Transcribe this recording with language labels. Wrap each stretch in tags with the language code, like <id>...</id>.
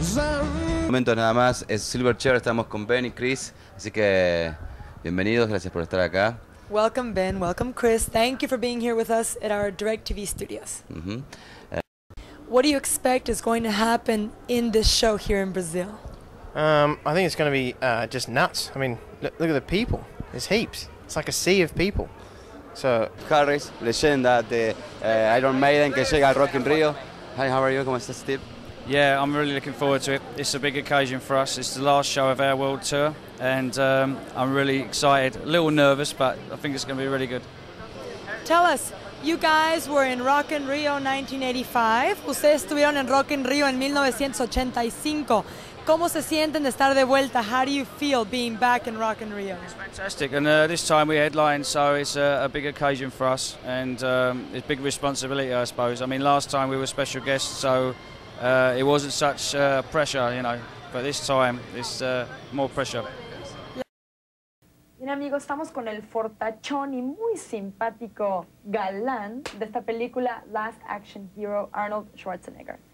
<es>Un momento nada más, es Silver Chair, estamos con Ben y Chris, así que bienvenidos, gracias por estar acá.</es> <en>Welcome Ben, welcome Chris, thank you for being here with us at our DirecTV studios. What do you expect is going to happen in this show here in Brazil? I think it's going to be just nuts. I mean, look at the people, there's heaps, it's like a sea of people. So</en> <es>Harris, leyenda de Iron Maiden que llega al Rock in Rio.</es> <en>Hi, how are you?</en> <es>¿Cómo estás, Steve?</es> <en>Yeah, I'm really looking forward to it. It's a big occasion for us. It's the last show of our world tour, and I'm really excited. A little nervous, but I think it's going to be really good. Tell us, you guys were in Rock in Rio 1985.</en> <es>Ustedes estuvieron en Rock in Rio en 1985. ¿Cómo se sienten de estar de vuelta?</es> <en>How do you feel being back in Rock in Rio? It's fantastic, and this time we headline, so it's a big occasion for us, and it's a big responsibility, I suppose. I mean, last time we were special guests, so... it wasn't such pressure, you know, but this time it's more pressure.</en> <es>Bien, amigos, estamos con el fortachón y muy simpático galán de esta película Last Action Hero, Arnold Schwarzenegger.</es>